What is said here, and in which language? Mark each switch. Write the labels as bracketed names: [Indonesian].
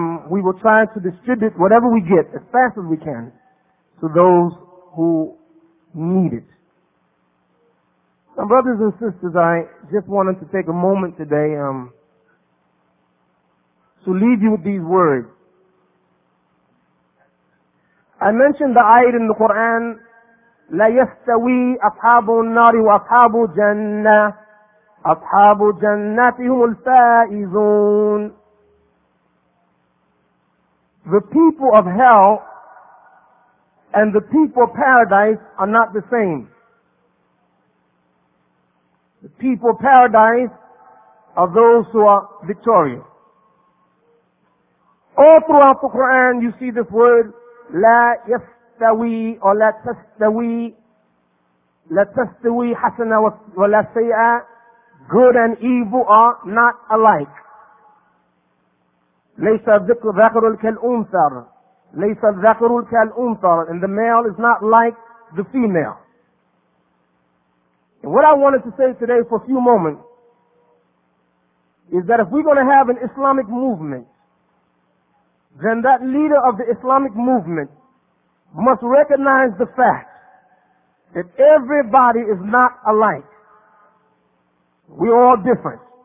[English] We will try to distribute whatever we get as fast as we can to those who need it. Now, brothers and sisters, I just wanted to take a moment today to leave you with these words. I mentioned the ayat in the Quran, [Arabic] لَا يَسْتَوِي أَصْحَابُ النَّارِ وَأَصْحَابُ الْجَنَّةِ أَصْحَابُ جَنَّاتِهُمُ الْفَائِزُونَ. [English] The people of hell and the people of paradise are not the same. The people of paradise are those who are victorious. All throughout the Quran you see this word, [Arabic] la yastawi or la tastawi hasana wa la say'a. [English] Good and evil are not alike. [Arabic] ليس الذكر كالأنثى ليس الذكر كالأنثى. [English] And the male is not like the female. And what I wanted to say today for a few moments is that if we're going to have an Islamic movement, then that leader of the Islamic movement must recognize the fact that everybody is not alike. We're all different.